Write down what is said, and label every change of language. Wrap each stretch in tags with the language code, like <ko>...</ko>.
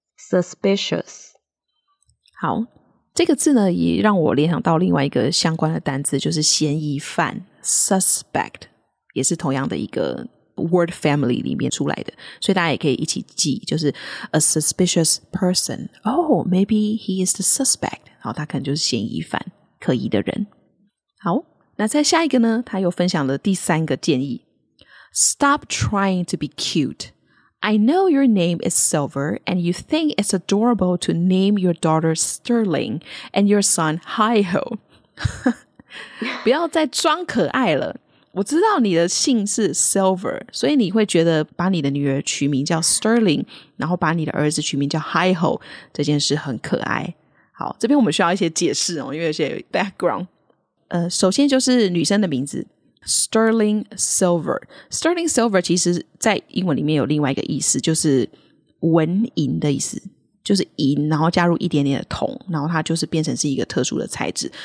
<en>suspicious。</en> <zh>好，这个字呢也让我联想到另外一个相关的单字，就是嫌疑犯 suspect， 也是同样的一个 word family 里面出来的，所以大家也可以一起记，就是</zh> <en>a suspicious person. Oh, maybe he is the suspect.</en> <zh>好，他可能就是嫌疑犯，可疑的人。好，那再下一个呢，他又分享了第三个建议，</zh> <en>Stop trying to be cute. I know your name is Silver and you think it's adorable to name your daughter Sterling and your son Hi-Ho.</en> <zh>不要再装可爱了，我知道你的姓是 Silver， 所以你会觉得把你的女儿取名叫 Sterling， 然后把你的儿子取名叫 Hi-Ho 这件事很可爱。好，这边我们需要一些解释哦，因为有些 background。首先就是女生的名字 Sterling Silver， Sterling Silver 其实在英文里面有另外一个意思，就是纹银的意思，就是银然后加入一点点的铜，然后它就是变成是一个特殊的材质。</zh>